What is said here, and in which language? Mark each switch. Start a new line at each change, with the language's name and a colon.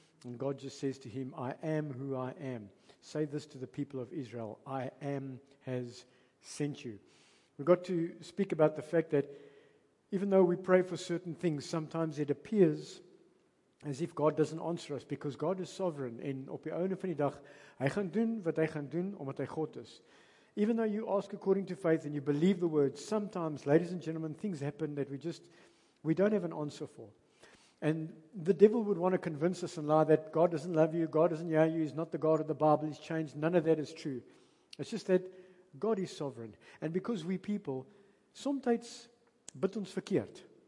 English: And God just says to him, I am who I am. Say this to the people of Israel. I am has sent you. We've got to speak about the fact that even though we pray for certain things, sometimes it appears as if God doesn't answer us, because God is sovereign.
Afrikaans: En op die einde van die dag, hy gaan doen wat hy gaan doen, omdat hy God is.
English: Even though you ask according to faith and you believe the word, sometimes, ladies and gentlemen, things happen that we don't have an answer for. And the devil would want to convince us and lie that God doesn't love you, God doesn't hear you, he's not the God of the Bible, he's changed. None of that is true. It's just that God is sovereign. And because we people, sometimes
Afrikaans: bid ons verkeerd.